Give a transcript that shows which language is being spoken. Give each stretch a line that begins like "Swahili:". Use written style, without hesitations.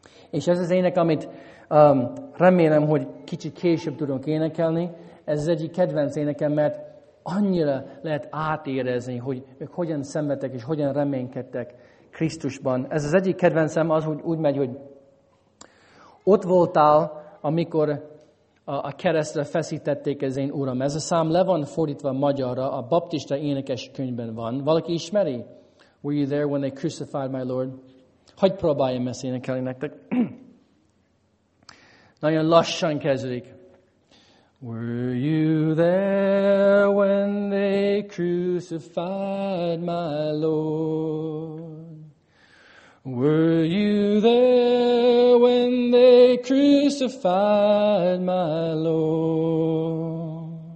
Hungarian: És ez az ének, amit remélem, hogy kicsit később tudunk énekelni, ez az egyik kedvenc énekem, mert annyira lehet átérezni, hogy ők hogyan szenvedtek és hogyan reménykedtek Krisztusban. Ez az egyik kedvencem az, hogy úgy megy, hogy ott voltál, amikor a keresztre feszítették az én uram. Ez a szám le van fordítva magyarra, a baptista énekes könyvben van. Valaki ismeri?
English: Were you there when they crucified my Lord?
Hungarian: Hogy próbáljam ezt énekelni nektek? Nagyon lassan kezdődik.
English: Were you there when they crucified my Lord? Were you there when they crucified my Lord?